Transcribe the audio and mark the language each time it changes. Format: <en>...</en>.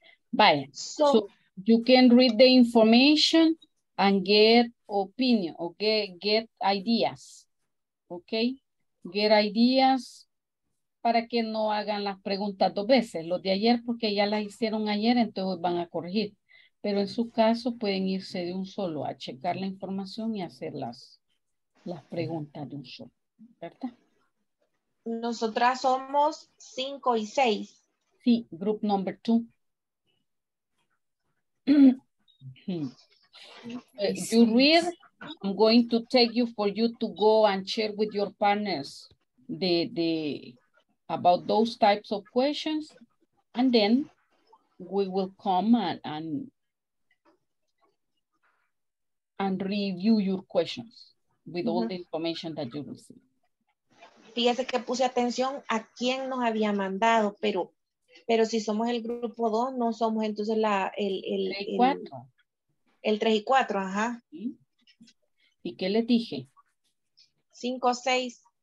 <en>Vaya, so you can read the information and get opinion, okay? Get ideas, okay? Get ideas</en> <es>para que no hagan las preguntas dos veces, los de ayer, porque ya las hicieron ayer, entonces van a corregir. Pero en su caso pueden irse de un solo a checar la información y hacer las preguntas de un solo, ¿verdad? Nosotras somos 5 y 6.</es> <en>Sí, group number 2. You read, I'm going to take you for you to go and share with your partners the about those types of questions, and then we will come and review your questions with all the information that you receive.</en> <es>Fíjese que puse atención a quién nos había mandado, pero si somos el grupo 2, no somos entonces la el 3 y 4. El 3 y 4, ajá. ¿Y qué le dije? 5, 6.</es>